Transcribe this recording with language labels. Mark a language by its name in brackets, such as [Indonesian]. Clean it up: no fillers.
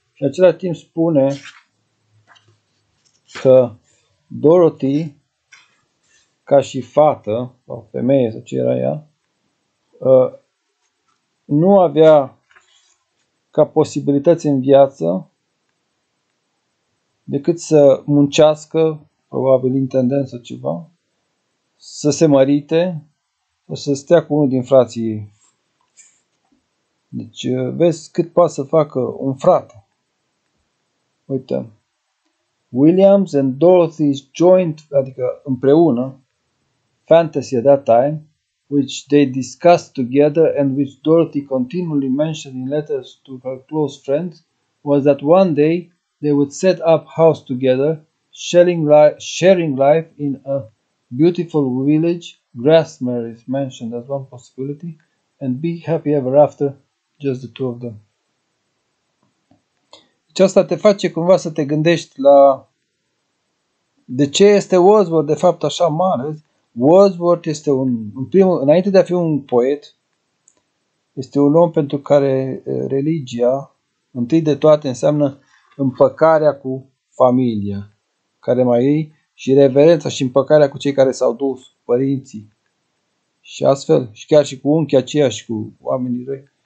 [Romanian] Și în același timp spune că Dorothy, ca și fată, o femeie sau ce era ea, nu avea ca posibilități în viață decât să muncească, probabil intendent sau ceva, să se mărite, să stea cu unul din frații ei. Deci, vezi cât poate să facă un frate. [English] Uite, Williams and Dorothy's joint, [Romanian] adică împreună, [English] fantasy at that time, which they discussed together and which Dorothy continually mentioned in letters to her close friends, was that one day they would set up house together, sharing life in a beautiful village, Grassmere is mentioned as one possibility, and be happy ever after, just the two of them. [Romanian] Deci asta te face cumva să te gândești la de ce este Wordsworth de fapt așa mare. Wordsworth este înainte de a fi un poet, este un om pentru care religia, întâi de toate, înseamnă împăcarea cu familia care mai e și reverența și împăcarea cu cei care s-au dus, părinții și astfel, și chiar și cu unchii aceia și cu oamenii răi.